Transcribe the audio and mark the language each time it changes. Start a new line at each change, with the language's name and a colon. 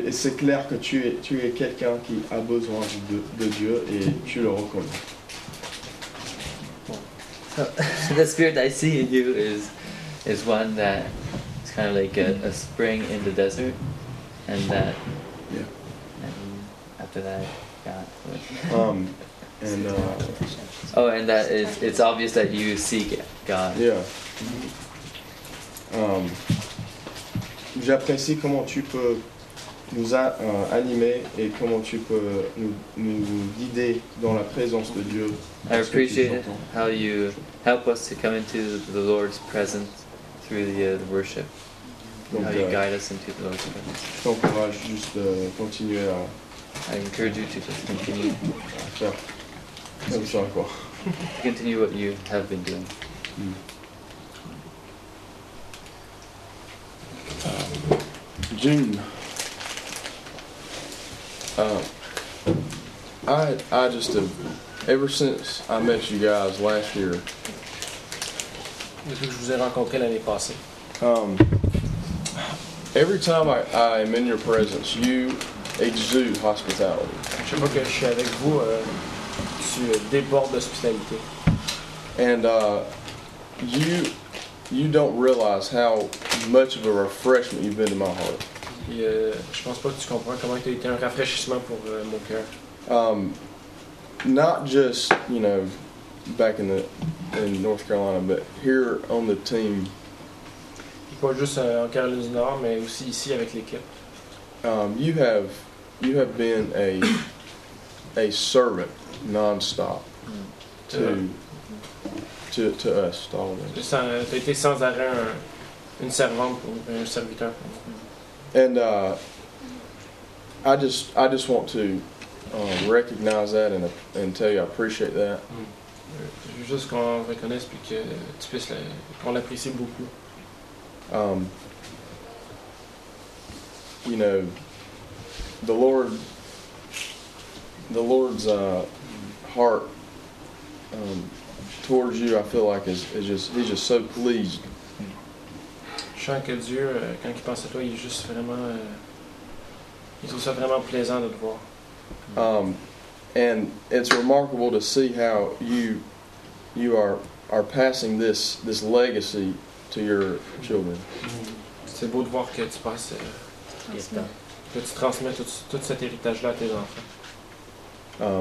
French: Et c'est clair que tu es quelqu'un qui a besoin de Dieu et tu le reconnais.
English: The spirit I see in you is one that is kind of like a spring in the desert, and that after that God. And that it's obvious that you seek God. Yeah.
French: J'apprécie comment tu peux nous animer et comment tu peux nous guider dans la présence de Dieu.
English: I appreciate how you help us to come into the Lord's presence through the worship.
French: Donc,
English: how you guide us into the Lord's presence.
French: Je t'encourage juste de continuer à.
English: I encourage you to just continue.
French: Comme ça quoi.
English: To continue what you have been doing. June, I just have, ever since I met you guys last year.
French: Depuis que je vous ai rencontré l'année passée.
English: Every time I am in your presence, you exude hospitality.
French: Chaque fois que je suis avec vous, tu débordes d'hospitalité.
English: And you don't realize how much of a refreshment you've been to my heart.
French: Et je pense pas que tu comprends comment tu as été un rafraîchissement pour mon cœur.
English: Not just, you know, back in the in North Carolina, but here on the team.
French: Et pas juste en Caroline du Nord, mais aussi ici avec l'équipe.
English: You have been a servant non-stop to us, Stalin.
French: T'as été sans arrêt une servante pour un serviteur.
English: And I just want to recognize that and tell you I appreciate that.
French: Je veux juste qu'on reconnaisse puis que tu puisses qu'on l'apprécie beaucoup.
English: You know, the Lord's heart towards you, I feel like he's just so pleased.
French: Je sens que Dieu, quand il pense à toi, il est juste vraiment, il trouve ça vraiment plaisant de te voir.
English: And it's remarkable to see how you are passing this legacy to your children.
French: C'est beau de voir que tu passes, que tu transmets tout cet héritage là à tes enfants.